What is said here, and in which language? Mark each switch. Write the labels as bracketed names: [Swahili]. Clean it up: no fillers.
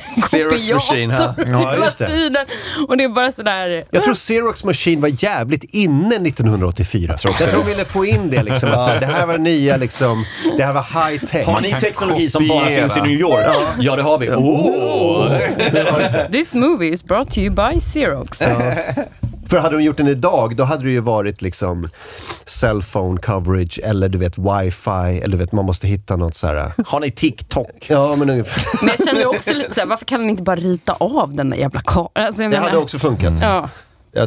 [English] Xerox machine, [Swedish] ja, just det. Och det är bara så där. Jag tror Xerox machine var jävligt inne 1984. Jag tror vi ville få in det liksom, att så här, det här var nya liksom, det här var high tech. Har ni teknologi som bara finns i New York? Ja, ja det har vi. Oh. [English] This movie is brought to you by Xerox. [Swedish] För hade de gjort den idag, då hade det ju varit liksom cell phone coverage eller du vet wifi, eller du vet man måste hitta något så här. Har ni TikTok? Ja, men ungefär. Men jag känner också lite så här, varför kan man inte bara rita av den där jävla kameran? Alltså, det hade också funkat. Mm. Ja.